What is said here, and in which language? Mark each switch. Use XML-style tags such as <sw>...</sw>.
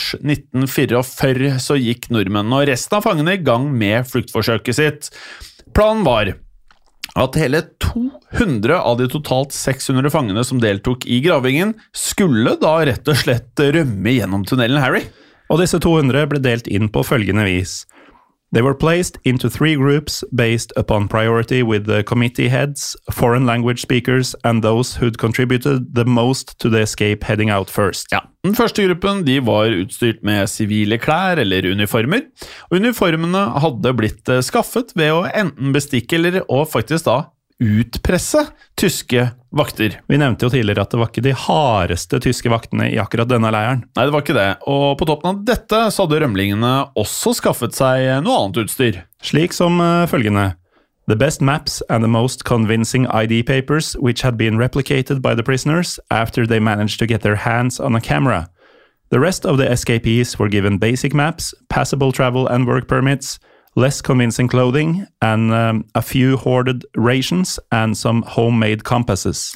<no>mars 1944, så gikk nordmennene og resten av fangene I gang med flyktforsøket sitt. Planen var at hele 200 av de totalt 600 fangene som deltok I gravingen skulle da rett og slett rømme gjennom tunnelen Harry. Og disse 200 ble delt inn på følgende vis.</no> <en>They were placed into 3 groups based upon priority with the committee heads, foreign language speakers and those who'd contributed the most to the escape heading out first.</en> <no>Ja, den første gruppen de var utstyrt med sivile klær eller uniformer, og uniformene hadde blitt skaffet ved å enten bestikke eller å faktisk da utpresse tyske vakter. Vi nevnte jo tidligere at det var ikke de hardeste tyske vaktene I akkurat denne leiren. Nei, det var ikke det. Og på toppen av dette så hadde rømlingene også skaffet seg noe annet utstyr. Slik som følgende.</no> <en>The best maps and the most convincing ID papers which had been replicated by the prisoners after they managed to get their hands on a camera. The rest of the escapees were given basic maps, passable travel and work permits, less convincing clothing, and a few hoarded rations and some homemade compasses.</en>